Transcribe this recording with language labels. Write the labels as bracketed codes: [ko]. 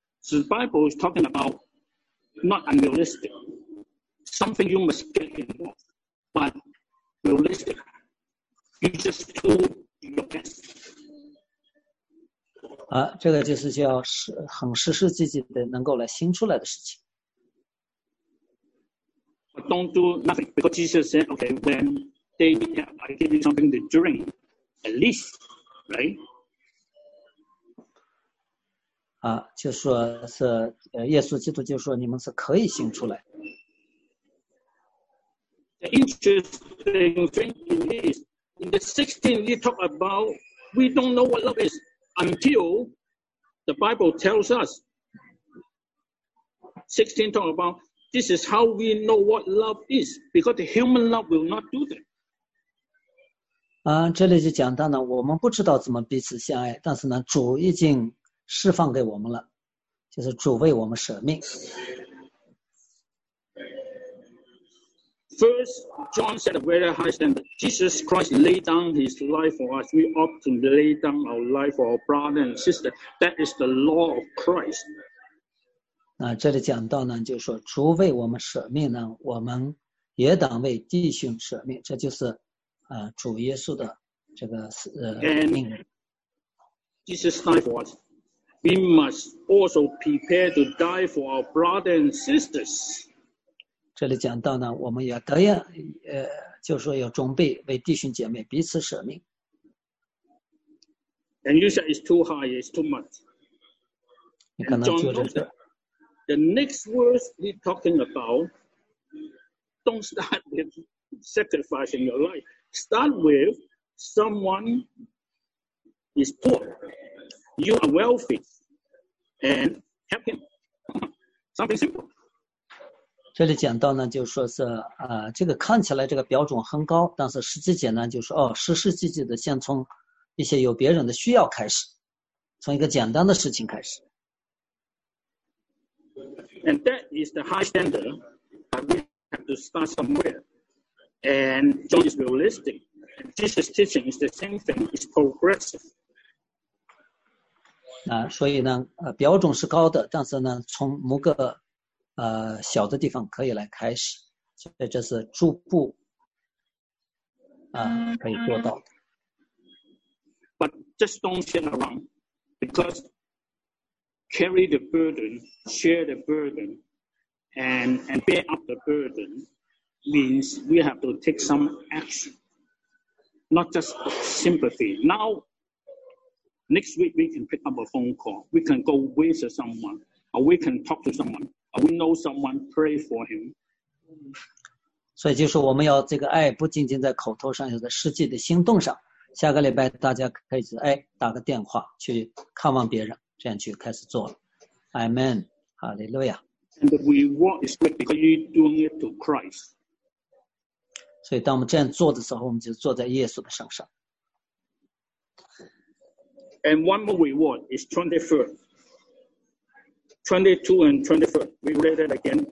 [en] The Bible is talking about not unrealistic, something you must get involved, but realistic. You just do. [zh] 啊，这个就是叫很实实际际的能够来行出来的事情。 [en] But don't do nothing because Jesus said, "Okay, when they I give you something to drink, at least, right?" [zh] 啊，就说是耶稣基督就说你们是可以行出来。 [en] The interesting thing is. In the 16, we talk about we don't know what love is until the Bible tells us. 16 talk about this is how we know what love is because the human love will not do that. [zh] 啊，这里就讲到呢，我们不知道怎么彼此相爱，但是呢，主已经释放给我们了，就是主为我们舍命。 [en] First, John set a very high standard. Jesus Christ laid down his life for us. We ought to lay down our life for our brother and sister. That is the law of Christ. [zh] 那这里讲到呢，就是说主为我们舍命呢，我们也当为弟兄舍命。这就是主耶稣的这个命令。 [en] Jesus died for us. We must also prepare to die for our brother and sisters. [zh] 这里讲到呢，我们要得样，就是说要准备为弟兄姐妹彼此舍命。 [en] And you said it's too high, it's too much. [zh] 你可能就是说 [en] The next words we're talking about, don't start with sacrificing your life. Start with someone is poor. You are wealthy. And help him. Something simple. [zh] 这里讲到呢，就是说是这个看起来这个标准很高，但是实际简单就是哦，实实际际的先从一些有别人的需要开始，从一个简单的事情开始。 [en] And that is the high standard. We have to start somewhere. And John is realistic. Jesus' teaching is the same thing. It's progressive. [zh] 那所以呢，标准是高的，但是呢，从某个小的地方可以来开始，所以这是逐步可以做到的。 [en] But just don't sit around, because carry the burden, share the burden, and bear up the burden means we have to take some action, not just sympathy. Now, next week we can pick up a phone call, we can go with someone, or we can talk to someone, or we know someone, pray for him. [zh] 所以就是我们要这个爱不仅仅在口头上，要在实际的行动上。下个礼拜大家可以哎打个电话去看望别人，这样去开始做了。 Amen， 哈利路亚。 [en] And the reward is great because you doing it to Christ. [zh] 所以当我们这样做的时候，我们就坐在耶稣的身上。 [en] And one more reward is 21, 22, and 24. We read it again.